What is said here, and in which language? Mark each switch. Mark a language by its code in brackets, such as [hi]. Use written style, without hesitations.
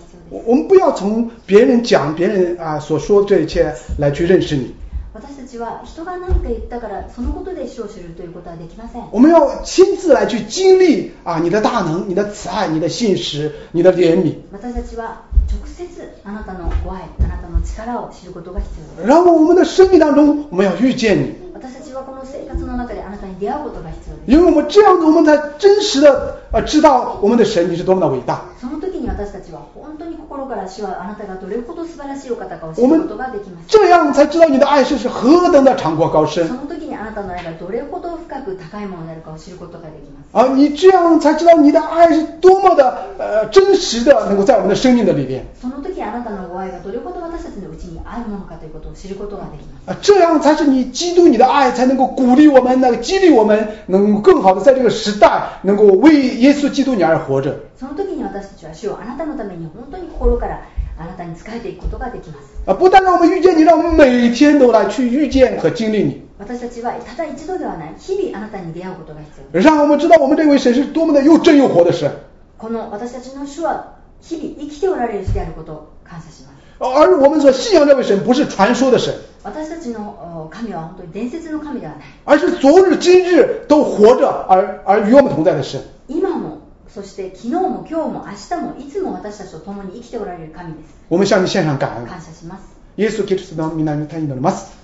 [zh] 我们不要从别人讲、别人所说这一切来去认识你。 [ja] 私たちは人が何か言ったからそのことで主を知るということはできません。 [zh] 我们要亲自来去经历啊，你的大能、你的慈爱、你的信实、你的怜悯。 [ja] 私たちは直接あなたのご愛、あなたの力を知ることが必要です。 [zh] 然后我们的生命当中，我们要遇见你。 [ja] 私たちはこの生活の中であなたに出会うことが必要です。 [zh] 因为我们这样子，我们才真实的知道我们的神你是多么的伟大。 [ja] その時に私たちは本当に心から主はあなたがどれほど素晴らしいお方かを知ることができます。 [zh] 这样才知道你的爱是什么。何等的长阔高深！ [ja] その時にあなたの愛がどれほど深く高いものであるかを知ることができます。 [zh] 啊，你这样才知道你的爱是多么的真实的，能够在我们的生命的里面。 [ja] その時あなたのご愛がどれほど私たちのうちにあるものかということを知ることができます。 [zh] 啊，这样才是你基督你的爱才能够鼓励我们，那个激励我们，能够更好的在这个时代能够为耶稣基督你而活着。 [ja] その時に私たちは主をあなたのために本当に心からあなたに仕えていくことができます。 [zh] 不但让我们遇见你，让我们每天都来去遇见和经历你。 [ja] 私たちはただ一度ではない、日々あなたに出会うことが必要。 [zh] 让我们知道我们这位神是多么的又真又活的神。 [ja] この私たちの主は日々生きておられる主であることを感謝します。 [zh] 而我们所信仰这位神不是传说的神。 [ja] 私たちの神は本当に伝説の神ではない。 [zh] 而是昨日今日都活着而与我们同在的神。 [ja] 今も。そして昨日も今日も明日もいつも私たちと共に生きておられる神です。 [zh] 我们向你献上感恩。 [ja] 感謝します。イエス・キリストの御名に祈ります。